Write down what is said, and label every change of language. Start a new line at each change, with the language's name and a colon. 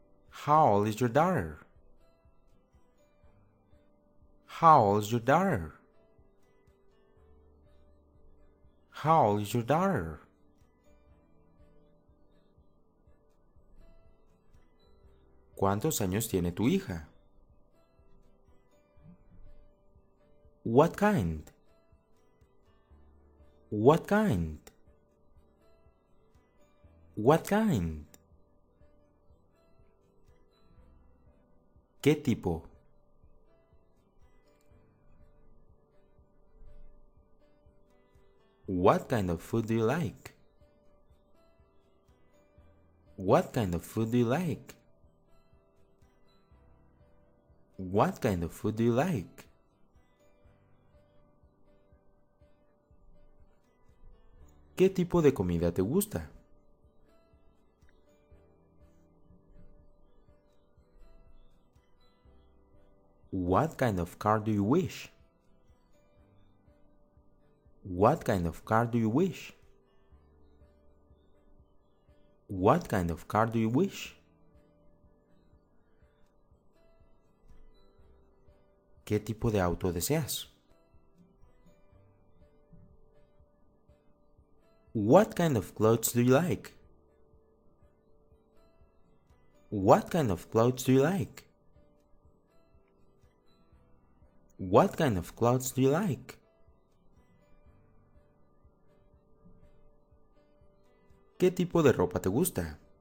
English: How old is your daughter? How old is your daughter? How old is your daughter?
Spanish: ¿Cuántos años tiene tu hija?
English: What kind? What kind? What kind?
Spanish: ¿Qué tipo?
English: What kind of food do you like? What kind of food do you like? What kind of food do you like?
Spanish: ¿Qué tipo de comida te gusta?
English: What kind of car do you wish? What kind of car do you wish? What kind of car do you wish?
Spanish: ¿Qué tipo de auto deseas?
English: What kind of clothes do you like? What kind of clothes do you like? What kind of clothes do you like?
Spanish: ¿Qué tipo de ropa te gusta?